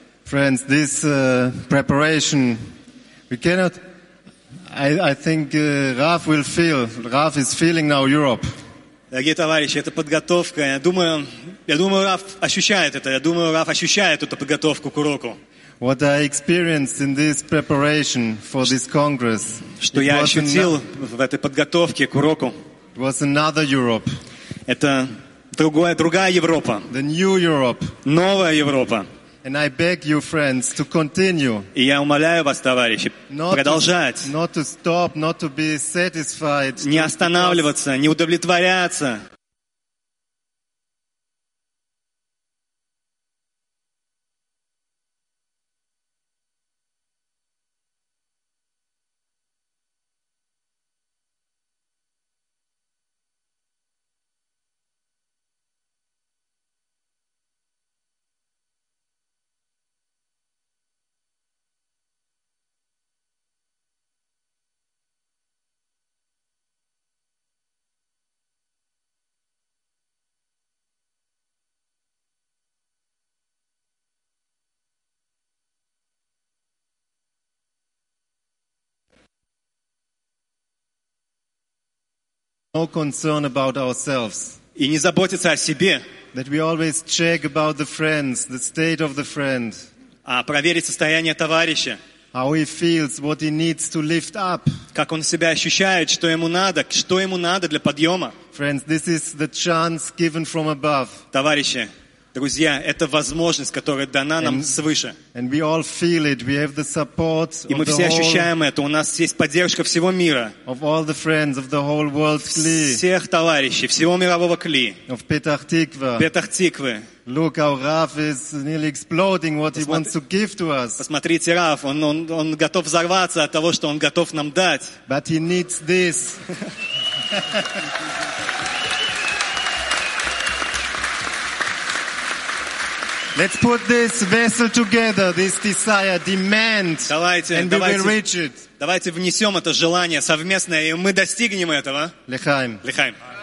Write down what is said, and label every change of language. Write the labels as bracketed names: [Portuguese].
[English] Friends, this preparation, we cannot. I think Raf will feel. Raf is feeling now Europe. [Russian] Дорогие товарищи, это подготовка. Я думаю, Раф ощущает это. Я думаю, Раф ощущает эту подготовку к уроку. [English] What I experienced in this preparation for this congress. [Russian] Что я ощутил в этой подготовке к уроку. [English] It was another Europe. [Russian] Это другая Европа. [English] The new Europe. [Russian] Новая Европа. [English] And I beg you, friends, to continue. [Russian] И я умоляю вас, товарищи, продолжать. [English] Not to stop, not to be satisfied. [Russian] Не останавливаться, не удовлетворяться. [English] No concern about ourselves. [Russian] И не заботиться о себе. [English] That we always check about the friends, the state of the friend. [Russian] А проверить состояние товарища. [English] How he feels, what he needs to lift up. [Russian] Как он себя ощущает, что ему надо для подъема. [English] Friends, this is the chance given from above. [Russian] Товарищи, друзья, это возможность, которая дана нам свыше. [English] And we all feel it. We have the support. [Russian] И мы все ощущаем это. У нас есть поддержка всего мира. [English] Of all the friends of the whole world Kli. [Russian] Всех товарищей всего мирового Кли. [English] Of Petah Tikva. [Russian] Петах Тиквы. [English] Look, our Raf is nearly exploding. What he wants to give to us. [Russian] Посмотрите, Раф, он готов взорваться от того, что он готов нам дать. [English] But he needs this. Let's put this vessel together, this desire, demand, [Russian] давайте, [English] and [Russian] давайте, [English] we will reach it. [Russian] Давайте внесем это желание совместное, и мы достигнем этого. [Hebrew] Лехаим. Лехаим.